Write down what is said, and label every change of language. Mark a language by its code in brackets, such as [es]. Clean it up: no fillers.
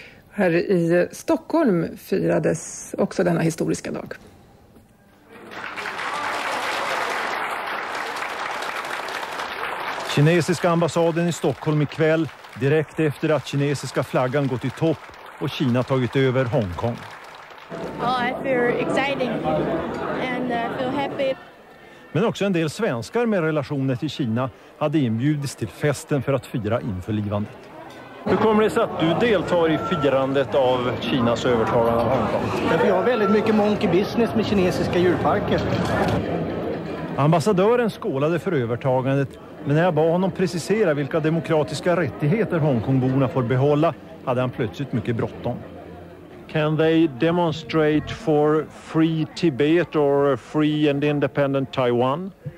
[sv] Här i Stockholm firades också denna historiska dag. Kinesiska ambassaden i Stockholm ikväll, direkt efter att kinesiska flaggan gått i topp och Kina tagit över Hongkong. [en] Oh, I feel exciting and I feel happy. [sv] Men också en del svenskar med relationer till Kina hade inbjudits till festen för att fira införlivandet. Hur kommer det sig att du deltar i firandet av Kinas övertagande av Hongkong? Vi har väldigt mycket [en] monkey business [sv] med kinesiska djurparker. Ambassadören skålade för övertagandet, men när jag bad honom precisera vilka demokratiska rättigheter Hongkongborna får behålla hade han plötsligt mycket bråttom. [en] Can they demonstrate for free Tibet or free and independent Taiwan?